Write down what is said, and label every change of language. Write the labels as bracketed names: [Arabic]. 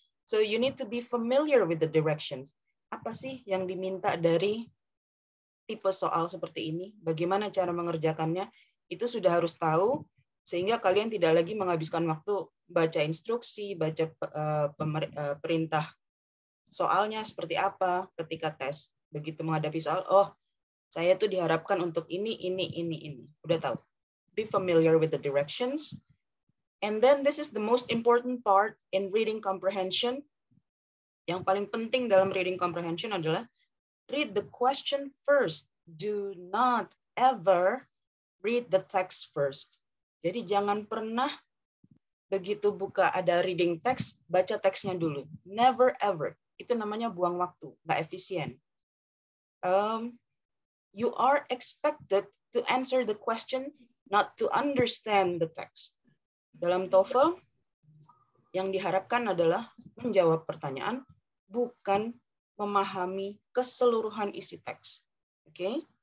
[English] So you need to be familiar with the directions. [Indonesian] Apa sih yang diminta dari tipe soal seperti ini? Bagaimana cara mengerjakannya? Itu sudah harus tahu, sehingga kalian tidak lagi menghabiskan waktu baca instruksi, baca perintah soalnya seperti apa ketika tes. Begitu menghadapi soal, oh, saya tuh diharapkan untuk ini. Udah tahu. [English] Be familiar with the directions. And then this is the most important part in reading comprehension. [Indonesian] Yang paling penting dalam reading comprehension adalah [English] read the question first. Do not ever read the text first. [Indonesian] Jadi jangan pernah begitu buka ada reading text, baca teksnya dulu. [English] Never ever. [Indonesian] Itu namanya buang waktu, nggak efisien. [English] You are expected to answer the question, not to understand the text. [Indonesian] Dalam TOEFL, yang diharapkan adalah menjawab pertanyaan, bukan memahami keseluruhan isi teks. Okay?